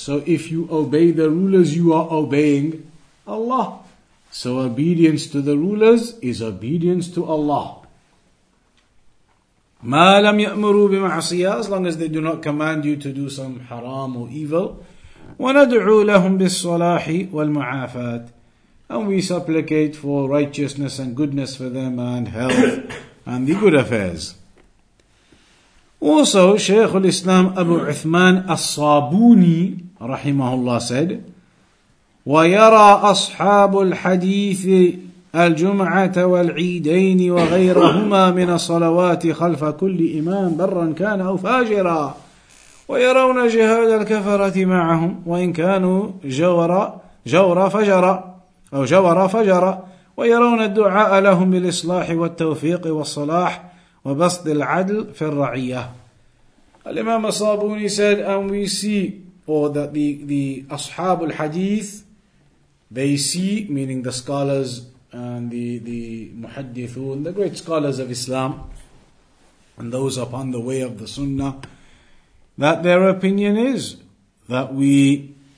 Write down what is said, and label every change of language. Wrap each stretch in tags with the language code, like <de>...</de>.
<en>So if you obey the rulers, you are obeying Allah. So obedience to the rulers is obedience to Allah.</en> <ar>ما لم يأمروا بمعصية,</ar> <en>as long as they do not command you to do some haram or evil.</en> <ar>وندعو لهم بالصلاح والمعافاة.</ar> <en>And we supplicate for righteousness and goodness for them and health and the good affairs. Also, Shaykh al-Islam Abu Uthman al-Sabuni,</en> <ar>رحمه الله,</ar> <en>said,</en> <ar>ويرى أصحاب الحديث الجمعة والعيدين وغيرهما من الصلوات خلف كل إمام برا كان أو فاجرا ويرون جهاد الكفرة معهم وإن كانوا جورا فجرا ويرون الدعاء لهم بالإصلاح والتوفيق والصلاح وبسط العدل في الرعية.</ar> <en>الإمام الصابوني said, and we see, or that the أصحاب الحديث, they see, meaning the scholars and the muhaddithun, the great scholars of Islam, and those upon the way of the sunnah, that their opinion is that we</en>